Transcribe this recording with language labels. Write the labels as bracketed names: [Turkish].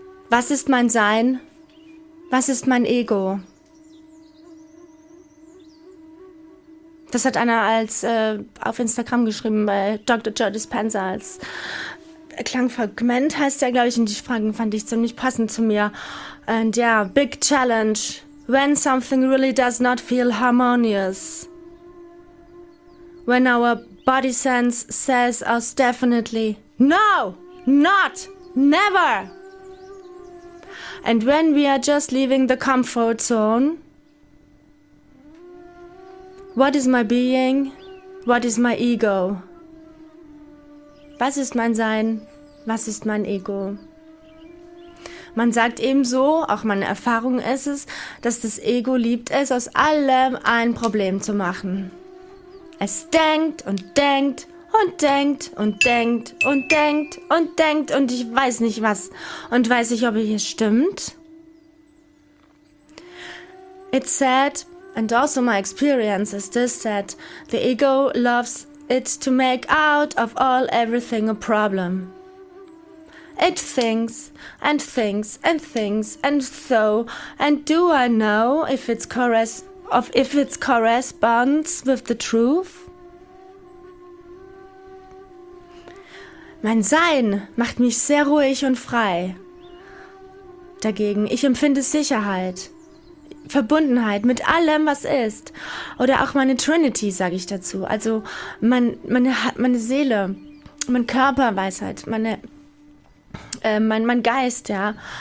[German] Was ist mein Sein? Was ist mein Ego? Das hat einer als auf Instagram geschrieben bei Dr. Joe Dispenza als Klangfragment heißt der, glaube ich, und die Fragen fand ich ziemlich passend zu mir. Und ja, [English] big challenge. When something really does not feel harmonious. When our body sense says us definitely no, not, never. And when we are just leaving the comfort zone, what is my being? What is my ego? [German] Was ist mein Sein? Was ist mein Ego? Man sagt ebenso, auch meine Erfahrung ist es, dass das Ego liebt es, aus allem ein Problem zu machen. Es denkt und denkt und denkt und denkt und denkt und denkt und ich weiß nicht was und weiß nicht, ob es stimmt. [English] It's sad, and also my experience is this, that the ego loves it to make out of all everything a problem. It thinks and thinks and thinks and so, and do I know if it corresponds with the truth? [German] Mein Sein macht mich sehr ruhig und frei. Dagegen, ich empfinde Sicherheit, Verbundenheit mit allem, was ist. Oder auch meine Trinity, sage ich dazu. Also meine Seele, mein Körper, Weisheit, mein Geist, ja.